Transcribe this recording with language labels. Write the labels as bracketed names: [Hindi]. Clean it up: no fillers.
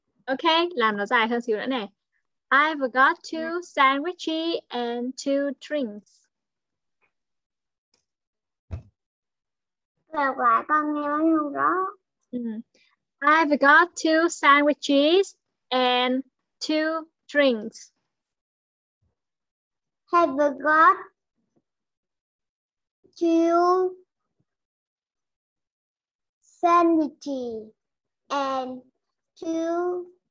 [Vietnamese] Okay, làm nó dài hơn xíu nữa này. [English] I've got two sandwiches and two drinks. [Vietnamese] Rồi lại con nghe nói không rõ. [English] I've got two sandwiches and two drinks. Have got two sandwiches and two